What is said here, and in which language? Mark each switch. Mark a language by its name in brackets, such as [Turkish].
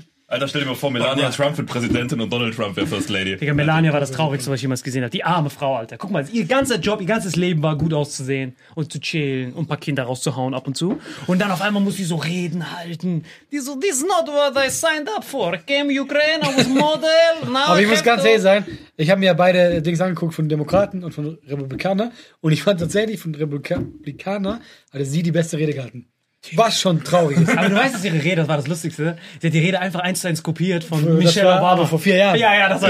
[German] Alter, stell dir mal vor, Melania Trump wird Präsidentin und Donald Trump wäre First Lady. Digga, Melania war das Traurigste, was ich jemals gesehen habe. Die arme Frau, Alter. Guck mal, ihr ganzer Job, ihr ganzes Leben war gut auszusehen und zu chillen und ein paar Kinder rauszuhauen ab und zu. Und dann auf einmal muss sie so Reden halten. Die so, [English] this is not what I signed up for. Came Ukraine, I was model. Now [German] aber ich muss ganz ehrlich sein, ich habe mir ja beide Dings angeguckt von Demokraten und von Republikanern. Und ich fand tatsächlich, von Republikanern hatte sie die beste Rede gehalten. Was schon traurig ist. Aber du weißt, dass ihre Rede, das war das Lustigste, sie hat die Rede einfach eins zu eins kopiert von Michelle Obama vor 4 Jahren. Ja, ja, das war